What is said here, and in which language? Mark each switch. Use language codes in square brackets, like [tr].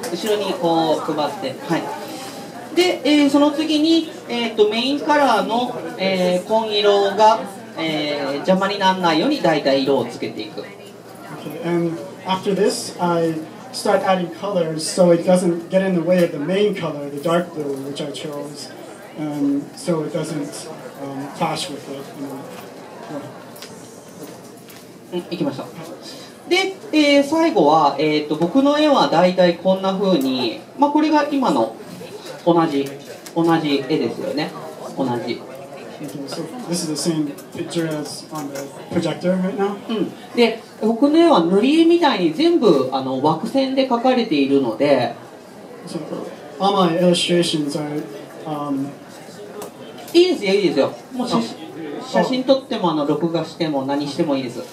[ja] 後ろにこう配って、はい。で、その次に、メインカラーの、紺色が、邪魔にならないようにだいたい色をつけていく。 [en] Okay, and after this, I start adding colors so it doesn't get in the way of the main color, the dark blue, which I chose, and so it doesn't clash with it. [ja] いきましょう。で、最後は、僕の絵はだいたいこんな風に、まあこれが今の同じ絵ですよね。同じ。 [en] Okay, so、this is the same picture as on the projector right now. [ja] うん。で、僕の絵は塗り絵みたいに全部あの枠線で描かれているので。 [en] So, all my illustrations are, [ja] いいですよ。もし写真撮ってもあの録画しても何してもいいです。